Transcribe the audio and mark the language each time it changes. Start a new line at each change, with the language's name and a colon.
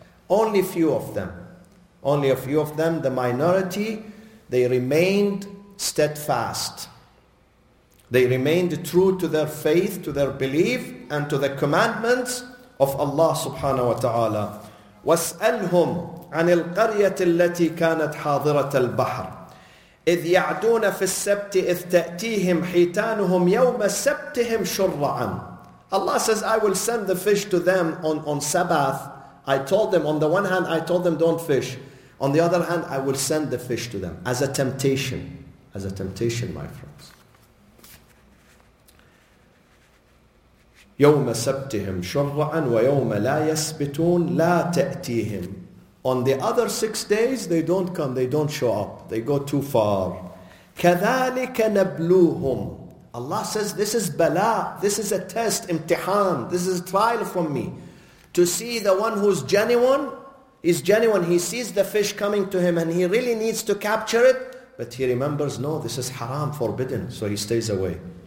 English: Only a few of them, the minority, they remained steadfast. They remained true to their faith, to their belief, and to the commandments of Allah subhanahu wa ta'ala.
Arabic: وَاسْأَلْهُمْ عَنِ الْقَرْيَةِ الَّتِي كَانَتْ حَاضِرَةَ الْبَحْرِ إذ يعدون في السبت إذ تأتيهم حيتانهم يوم سبتهم شرعا.
English: Allah says, I will send the fish to them on Sabbath. I told them, on the one hand, I told them don't fish. On the other hand, I will send the fish to them as a temptation. As a temptation, my friends.
Arabic: يوم سبتهم شرعا ويوم لا يسبتون لا تأتيهم.
English: On the other 6 days, they don't come, they don't show up. They go too far.
Arabic: كَذَلِكَ نَبْلُوهُمْ.
English: Allah says, this is bala, this is a test, imtihan, this is a trial from me. To see the one who's genuine, he's genuine, he sees the fish coming to him and he really needs to capture it, but he remembers, no, this is haram, forbidden, so he stays away.